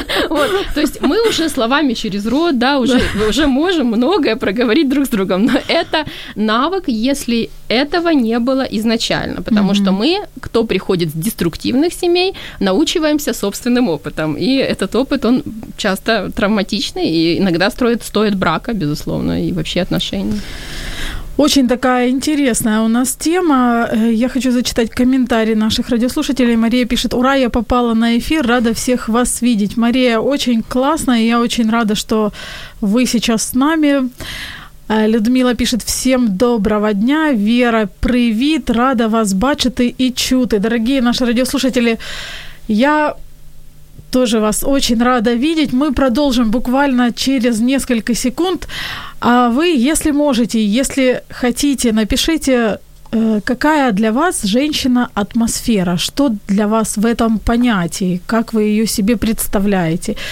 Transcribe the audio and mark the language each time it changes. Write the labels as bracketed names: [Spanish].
[Russian] Вот, то есть мы уже словами через рот, да, уже можем многое проговорить друг с другом, но это навык, если этого не было изначально, потому mm-hmm. что мы, кто приходит с деструктивных семей, научиваемся собственным опытом, и этот опыт, он часто травматичный, и иногда стоит брака, безусловно, и вообще отношений. Очень такая интересная у нас тема. Я хочу зачитать комментарии наших радиослушателей. Мария пишет: «Ура, я попала на эфир, рада всех вас видеть». Мария, очень классно, и я очень рада, что вы сейчас с нами. Людмила пишет: «Всем доброго дня, Вера, [Ukrainian] привіт, рада вас бачити і чути». [Russian] Дорогие наши радиослушатели, я тоже вас очень рада видеть. Мы продолжим буквально через несколько секунд. А вы, если можете, если хотите, напишите, какая для вас женщина атмосфера, что для вас в этом понятии, как вы ее себе представляете.